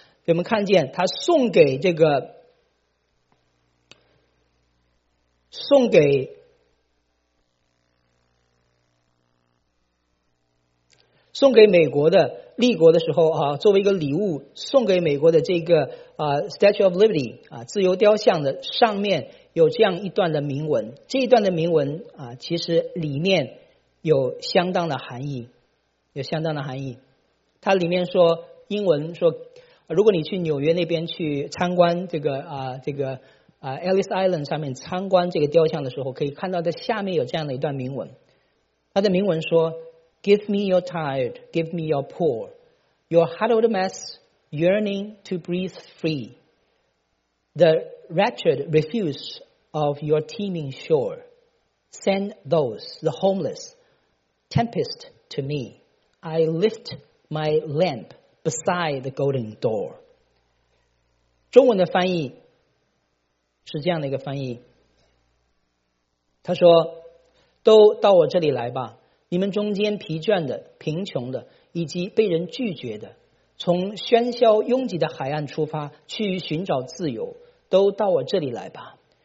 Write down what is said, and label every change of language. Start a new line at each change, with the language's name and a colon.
Chinese: 我们看见他送给美国的立国的时候作为一个礼物送给美国的这个Statue of Liberty 自由雕像的上面有这样一段的铭文，这一段的铭文其实里面有相当的含义。有相当的含义。它里面说英文说，如果你去纽约那边去参观这个 Ellis Island 上面参观这个雕像的时候，可以看到在下面有这样的一段铭文。它的铭文说
English: ：“Give me your tired, give me your poor, your huddled mass yearning to breathe free, the wretched refuse of your teeming shore. Send those, the homeless, tempest to me. I lift my lamp beside the golden door.”
Chinese: 中文的翻译是这样的一个翻译，他说：“都到我这里来吧，你们中间疲倦的、贫穷的，以及被人拒绝的，从喧嚣拥挤的海岸出发，去寻找自由，都到我这里来吧。